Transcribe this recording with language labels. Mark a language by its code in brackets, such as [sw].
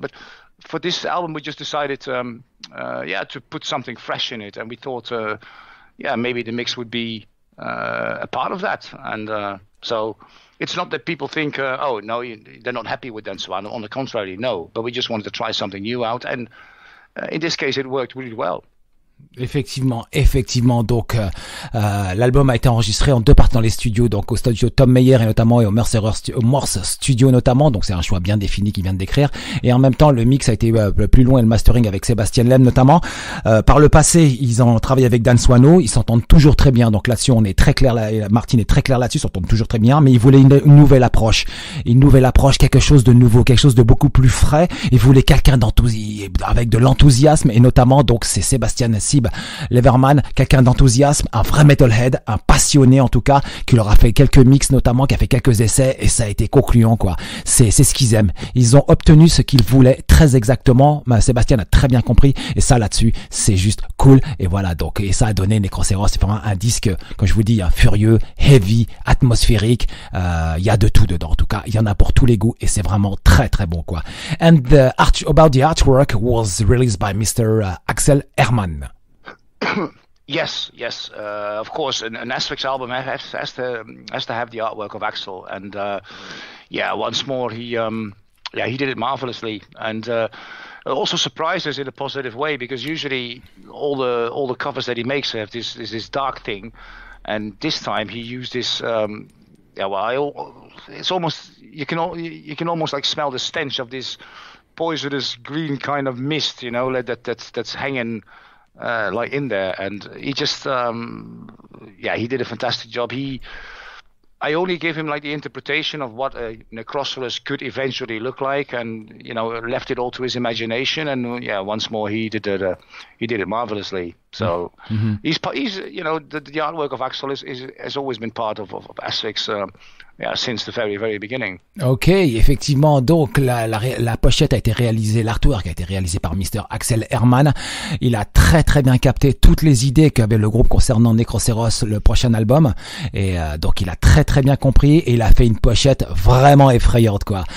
[en] But for this album, we just decided to put something fresh in it, and we thought, maybe the mix would be a part of that. And so it's not that people think, they're not happy with Dan Swano. On the contrary, no. But we just wanted to try something new out, and in this case, it worked really well. [fr] Effectivement, donc l'album a été enregistré en deux parties dans les studios, donc au studio Tom Meyer et notamment, et au Morse Studio notamment, donc c'est un choix bien défini qu'il vient de décrire, et en même temps le mix a été plus loin et le mastering avec Sébastien Lem notamment. Par le passé, ils ont travaillé avec Dan Swano, ils s'entendent toujours très bien, donc là-dessus on est très clair, Martin est très clair là-dessus, ils s'entendent toujours très bien, mais ils voulaient une nouvelle approche, quelque chose de nouveau, quelque chose de beaucoup plus frais, ils voulaient quelqu'un avec de l'enthousiasme, et notamment donc c'est Sébastien Sib Leverman, quelqu'un d'enthousiasme, un vrai metalhead, un passionné en tout cas, qui leur a fait quelques mix notamment, qui a fait quelques essais, et ça a été concluant quoi. C'est ce qu'ils aiment. Ils ont obtenu ce qu'ils voulaient très exactement. Sébastien a très bien compris, et ça là-dessus, c'est juste cool. Et voilà, donc, et ça a donné Necroceros. C'est vraiment un disque, comme je vous dis, furieux, heavy, atmosphérique. Il y a de tout dedans en tout cas. Il y en a pour tous les goûts, et c'est vraiment très très bon quoi. [en] And the art, about the artwork was released by Mr. Axel Herrmann. Yes, of course, an Asphyx album has to have the artwork of Axel, and once more he did it marvelously, and it also surprised us in a positive way, because usually all the covers that he makes have this dark thing, and this time he used this it's almost you can almost like smell the stench of this poisonous green kind of mist, you know, that's hanging like in there, and he just he did a fantastic job. I only gave him like the interpretation of what a Necrosaurus could eventually look like, and you know, left it all to his imagination, and once more he did it marvelously. So mm-hmm. he's you know, the artwork of Axel is has always been part of Asphyx since the very very beginning. [fr] Ok, effectivement, donc la pochette a été réalisée, l'artwork a été réalisé par Mr. Axel Herrmann. Il a très très bien capté toutes les idées qu'avait le groupe concernant Necroceros, le prochain album, et donc il a très très bien compris, et il a fait une pochette vraiment effrayante quoi.